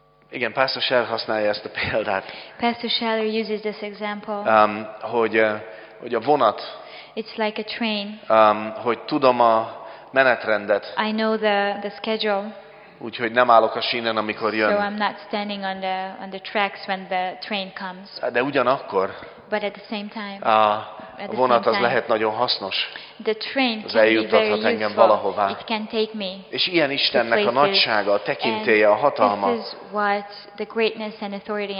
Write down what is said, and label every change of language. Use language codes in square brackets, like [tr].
[hu] Igen, Pastor Scheller használja ezt a példát. [en] Pastor Scheller uses this example. [hu] Hogy a vonat. [en] It's like a train. [hu] Hogy tudom a menetrendet. [en] I know the schedule. [hu] Úgyhogy nem állok a sínen, amikor jön. [en] So I'm not standing on the tracks when the train comes. [hu] De ugyanakkor. [en] But at the same time. [hu] A vonat az lehet nagyon hasznos. [en] The train [hu] az eljuttathat engem valahová. [en] It can take me. [hu] És ilyen Istennek a nagysága, a tekintélye, a hatalma. [en] And this is what the greatness and authority and